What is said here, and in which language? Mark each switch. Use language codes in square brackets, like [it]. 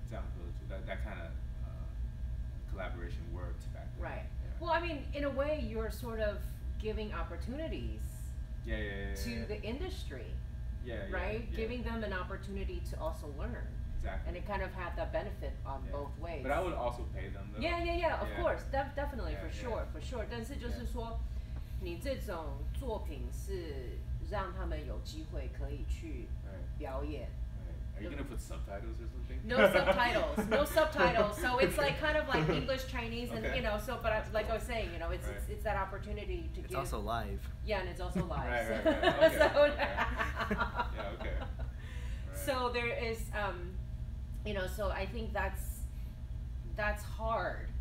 [en] That kind of collaboration worked back then. Right. Well, I mean, in a way, you're sort of giving opportunities to the industry, right? Yeah. Giving them an opportunity to also learn. Exactly. And it kind of had that benefit on both ways. But I would also pay them, though. Yeah, of course. Definitely, for sure. [zh] 但是就是说, 你这种作品是让他们有机会可以去表演。 [en] Are you gonna put subtitles or something? No subtitles. So it's like kind of like English, Chinese, and okay. you know. So, but I, like cool. I was saying, you know, right. it's that opportunity to. It's give. Also live. Yeah, and it's also live. Right. Okay. So. Okay. Right. So there is, you know. So I think that's hard.